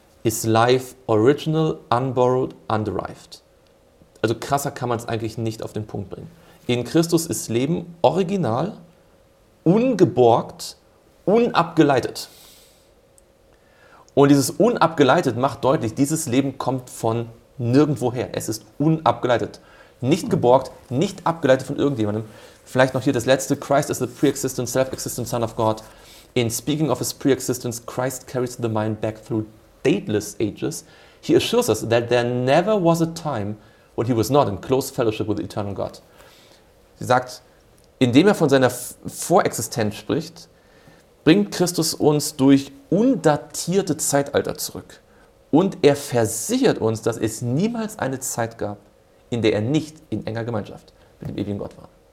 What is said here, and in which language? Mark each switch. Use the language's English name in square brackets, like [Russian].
[English] Is life original, unborrowed, underived? [German] Also krasser kann man es eigentlich nicht auf den Punkt bringen. In Christus ist Leben original, ungeborgt, unabgeleitet. Und dieses unabgeleitet macht deutlich, dieses Leben kommt von nirgendwoher. Es ist unabgeleitet. Nicht geborgt, nicht abgeleitet von irgendjemandem. Vielleicht noch hier das letzte. [English] Christ is the pre-existent, self-existent Son of God. In speaking of his pre-existence, Christ carries the mind back through dateless ages. He assures us that there never was a time when he was not in close fellowship with the eternal God. [German] Sie sagt, indem er von seiner Vorexistenz spricht, bringt Christus uns durch undatierte Zeitalter zurück. Und er versichert uns, dass es niemals eine Zeit gab, in der er nicht in enger Gemeinschaft mit dem ewigen Gott war.